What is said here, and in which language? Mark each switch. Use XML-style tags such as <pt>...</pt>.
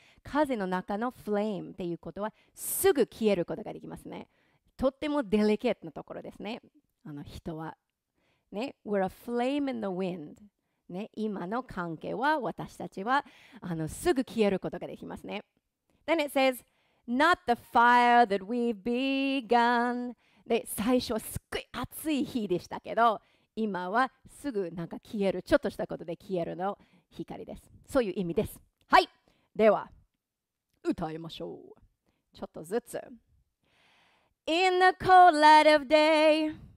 <ja>風の中の flame っていうことはすぐ消えることができますね。とってもデリケートなところですね。人は。ね、</ja> <en>We're a flame in the wind.</en> <ja>ね、今の関係は私たちはすぐ消えることができますね。</ja> <en>Then it says, not the fire that we've begun.</en> <ja>で、最初はすっごい熱い火でしたけど、今はすぐなんか消える、ちょっとしたことで消えるの光です。そういう意味です。はい、では、歌いましょう。ちょっとずつ。</ja> <en>In the cold light of day.</en>